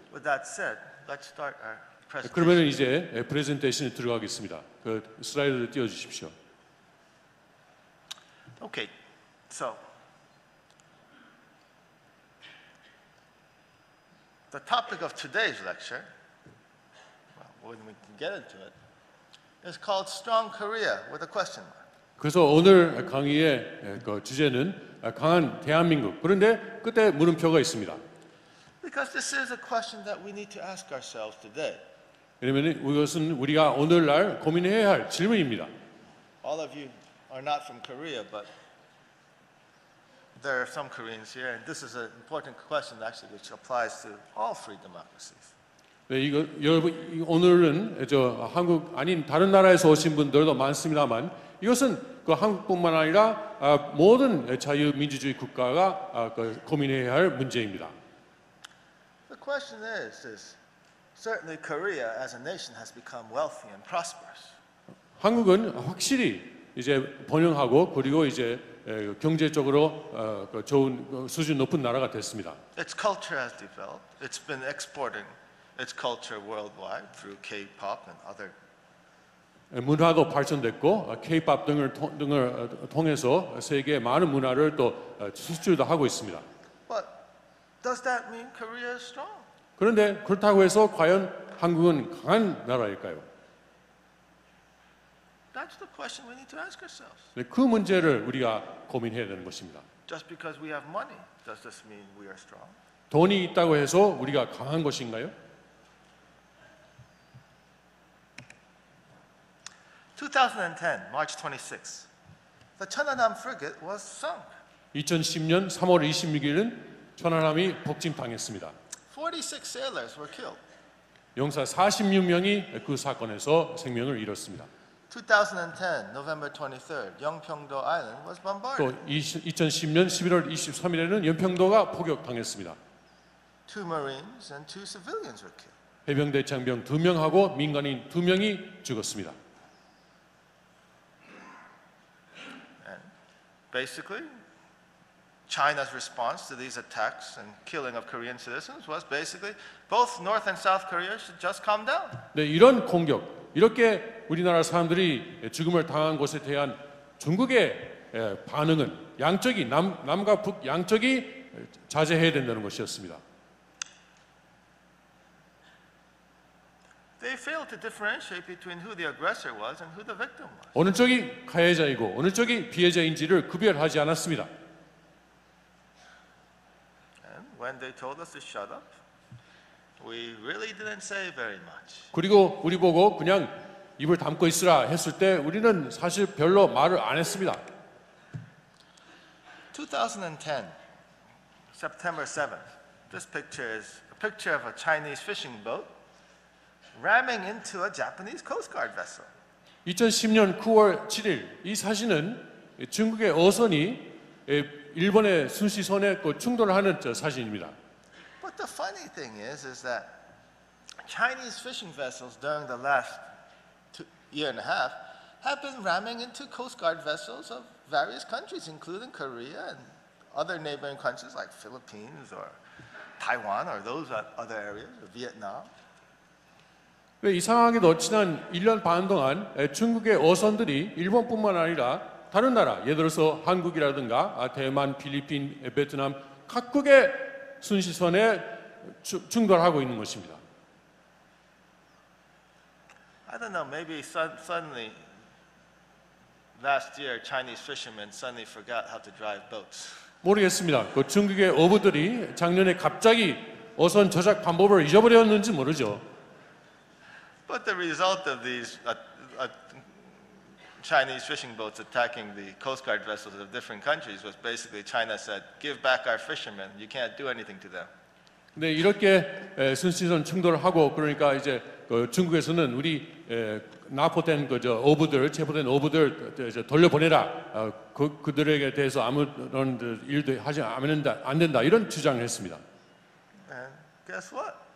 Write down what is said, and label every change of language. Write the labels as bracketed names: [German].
[English] With that said, let's start our [Korean] 그러면 이제 프레젠테이션에 들어가겠습니다. 그 슬라이드를 띄워주십시오. [English] Okay, so the topic of today's lecture, when we can get into it, is called Strong Korea with a question mark. [Korean] 그래서 오늘 강의의 그 주제는 강한 대한민국. 그런데 끝에 물음표가 있습니다. [English] Because this is a question that we need to ask ourselves today. [Korean] 왜냐면 이것은 우리가 오늘날 고민해야 할 질문입니다. [English] All of you are not from Korea, but there are some Koreans here, and this is an important question actually, which applies to all free democracies. [Korean] 네, 이거 여러분 오늘은 저 한국 아닌 다른 나라에서 오신 분들도 많습니다만, 이것은 그 한국뿐만 아니라 모든 자유민주주의 국가가 고민해야 할 문제입니다. [English] The question is. Certainly, Korea as a nation has become wealthy and prosperous. [Korean] 한국은 확실히 이제 번영하고 그리고 이제 경제적으로 좋은 수준 높은 나라가 됐습니다. [English] Its culture has developed. It's been exporting its culture worldwide through K-pop and other. [Korean] 문화도 발전됐고 K-pop 등을 통해서 세계 많은 문화를 또 수출도 하고 있습니다. [English] But does that mean Korea is strong? [Korean] 그런데 그렇다고 해서 과연 한국은 강한 나라일까요? [English] That's the question we need to ask ourselves. [Korean] 네, 그 문제를 우리가 고민해야 되는 것입니다. [English] Just because we have money, does this mean we are strong? [Korean] 돈이 있다고 해서 우리가 강한 것인가요? [English] 2010, March 26, the Cheonan-ham frigate was sunk. [Korean] 2010년 3월 26일은 천안함이 폭침당했습니다. [English] 46 sailors were killed. [Korean] 용사 46명이 그 사건에서 생명을 잃었습니다. [English] 2010 November 23rd, Yeongpyeongdo Island was bombarded. [Korean] 또 2010년 11월 23일에는 연평도가 포격당했습니다. [English] Two Marines and two civilians were killed. [Korean] 해병대 장병 두 명하고 민간인 두 명이 죽었습니다. [English] And basically China's response to these attacks and killing of Korean citizens was basically both North and South Korea should just calm down. [Korean] 네, 이런 공격, 이렇게 우리나라 사람들이 죽음을 당한 것에 대한 중국의 반응은 양쪽이 남과 북 양쪽이 자제해야 된다는 것이었습니다. [English] They failed to differentiate between who the aggressor was and who the victim was. [Korean] 어느 쪽이 가해자이고 어느 쪽이 피해자인지를 구별하지 않았습니다. [English] When they told us to shut up, we really didn't say very much. [Korean] 그리고 우리 보고 그냥 입을 담고 있으라 했을 때 우리는 사실 별로 말을 안 했습니다. [English] 2010, September 7th. This picture is a picture of a Chinese fishing boat ramming into a Japanese Coast Guard vessel. [Korean] 2010년 9월 7일 이 사진은 중국의 어선이 일본의 순시선에 충돌하는 사진입니다. [English] But the funny thing is that Chinese fishing vessels during the last year and a half have been ramming into Coast Guard vessels of various countries, including Korea and other neighboring countries like Philippines or Taiwan or those other areas, or Vietnam. [Korean] 이상하게도 지난 1년 반 동안 중국의 어선들이 일본뿐만 아니라 다른 나라, 예를 들어서 한국이라든가 대만, 필리핀, 베트남 각국의 순시선에 충돌하고 있는 것입니다. [English] I don't know. Maybe suddenly last year Chinese fishermen suddenly forgot how to drive boats. [Korean] 모르겠습니다. 중국의 어부들이 작년에 갑자기 어선 조작 방법을 잊어버렸는지 모르죠. [English] But the result of these Chinese fishing boats attacking the Coast Guard vessels of different countries was basically China said, "Give back our fishermen. You can't do anything to them." [Korean] 네, 이렇게 순시선 충돌을 하고 그러니까 이제 중국에서는 우리 나포된 그저 어부들, 체포된 어부들 돌려보내라. 그들에게 대해서 아무런 일도 하지 않는다, 안 된다 이런 주장을 했습니다. [English] And guess what?